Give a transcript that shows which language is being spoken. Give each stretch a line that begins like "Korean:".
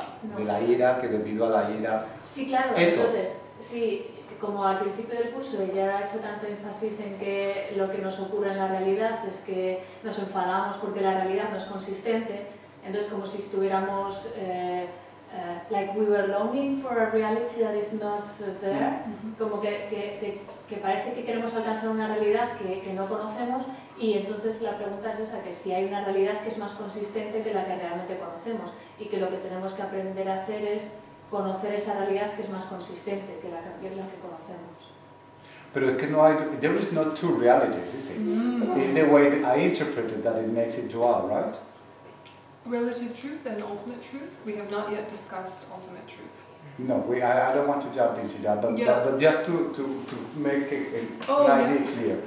Spanish: No. De la ira, que debido a la ira... Sí, claro, eso. Entonces, sí, como al principio del curso ella ha hecho tanto énfasis en que lo que nos ocurre en la realidad es que nos enfadamos porque la realidad no es consistente, entonces como si estuviéramos...
English: like we were longing for a reality that is not so there. Yeah. Mm-hmm.
Spanish: Como que parece que queremos alcanzar una realidad que no conocemos, y entonces la pregunta es esa, que si hay una realidad que es más consistente que la que realmente conocemos, y que lo que tenemos que aprender a hacer es conocer esa realidad que es más consistente que la que conocemos. Pero es que no hay,
English: there is not two realities, is it? Mm-hmm. It's the way I interpret it that it makes it dual, right? Relative truth and ultimate truth. We have not yet discussed ultimate truth. No, I don't want to jump into that, but just to make idea clear.